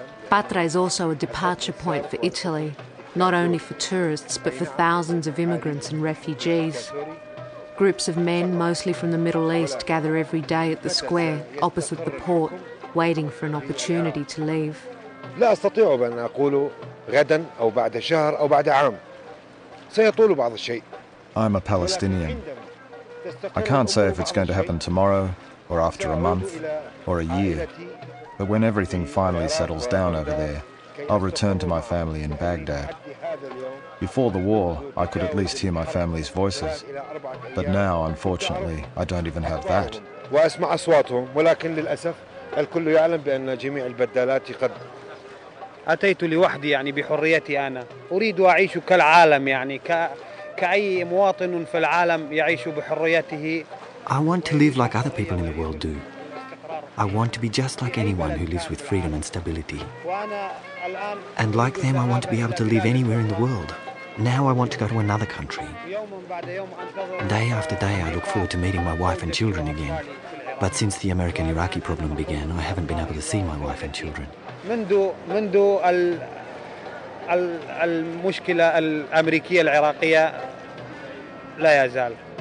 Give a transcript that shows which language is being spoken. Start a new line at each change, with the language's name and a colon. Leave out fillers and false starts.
English: Patra is also a departure point for Italy, not only for tourists, but for thousands of immigrants and refugees. Groups of men, mostly from the Middle East, gather every day at the square opposite the port, waiting for an opportunity to leave.
Arabic: لا استطيع ان اقول غدا او بعد شهر او بعد عام سيطول بعض الشيء.
English: I'm a Palestinian. I can't say if it's going to happen tomorrow or after a month or a year. But when everything finally settles down over there, I'll return to my family in Baghdad. Before the war, I could at least hear my family's voices. But now, unfortunately, I don't even have that.
Arabic: واسمع اصواتهم ولكن للاسف الكل يعلم بان جميع البدالات قد اتيت لوحدي يعني بحريتي انا اريد اعيش كالعالم يعني كاي مواطن في العالم يعيش بحريته.
English: I want to live like other people in the world do. I want to be just like anyone who lives with freedom and stability. And like them, I want to be able to live anywhere in the world. Now I want to go to another country. Day after day, I look forward to meeting my wife and children again. But since the American-Iraqi problem began, I haven't been able to see my wife and children.
Arabic: منذ المشكلة الأمريكية العراقية لا يزال.